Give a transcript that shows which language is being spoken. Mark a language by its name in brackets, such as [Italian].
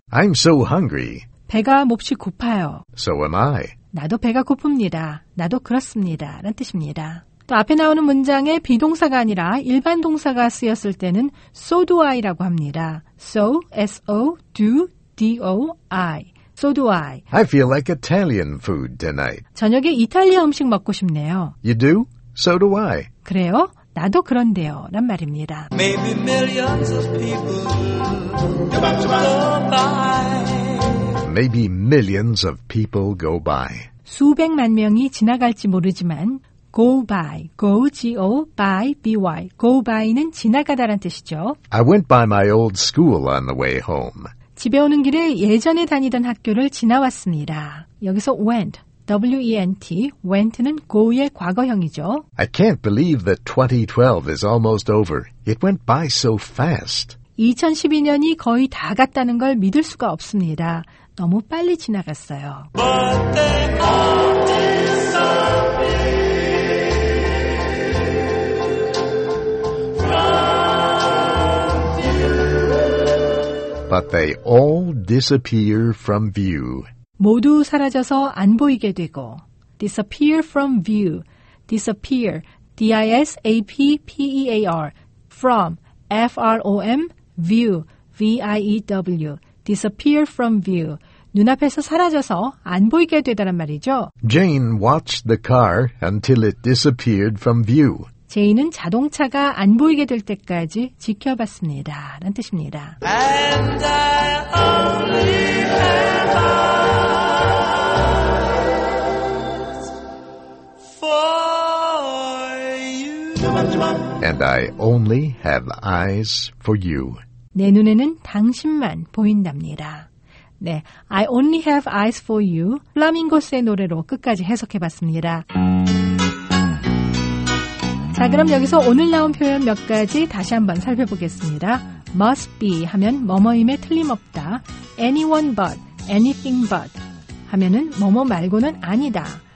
[English] I'm so hungry. [Korean] 배가 몹시 고파요. [English] So am I. [Korean] 나도 배가 고픕니다. 나도 그렇습니다. 라는 뜻입니다. 또 앞에 나오는 문장에 비동사가 아니라 일반 동사가 쓰였을 때는 [English] So do I [Korean] 라고 합니다. [English] So, S-O, do, D-O-I. So do I. I feel like Italian food tonight. [Korean] 저녁에 이탈리아 음식 먹고 싶네요. [English] You do? So do I. [Korean] 그래요? 나도 그런데요. 란 말입니다. [English] Maybe millions of people go by. Maybe millions of people go by. [Korean] 수백만 명이 지나갈지 모르지만 [English] go by, [Korean] go, G-O, by, B-Y. Go by는 지나가다란 뜻이죠. [English] I went by my old school on the way home. [Korean] 집에 오는 길에 예전에 다니던 학교를 지나왔습니다. 여기서 went, W-E-N-T, went는 go의 과거형이죠. [English] I can't believe that 2012 is almost over. It went by so fast. [Korean] 2012년이 거의 다 갔다는 걸 믿을 수가 없습니다. 너무 빨리 지나갔어요. [English] But they all disappear. But they all disappear from view. [Korean] 모두 사라져서 안 보이게 되고. [English] Disappear from view. Disappear. D-I-S-A-P-P-E-A-R. From. F-R-O-M. View. V-I-E-W. Disappear from view. [Korean] 눈앞에서 사라져서 안 보이게 되다란 말이죠. Jane watched the car until it disappeared from view. 제인은 자동차가 안 보이게 될 때까지 지켜봤습니다. 라는 뜻입니다. [English] And I only have eyes for you. And I only have eyes for you. [Korean] 내 눈에는 당신만 보인답니다. [English] 네, I only have eyes for you. [Korean] 플라밍고스의 노래로 끝까지 해석해봤습니다. 자, 그럼 여기서 오늘 나온 표현 몇 가지 다시 한번 살펴보겠습니다. [English] Must be [Korean] 하면 뭐뭐임에 틀림없다. [English] Anyone but, anything but [Korean] 하면은 뭐뭐 말고는 아니다.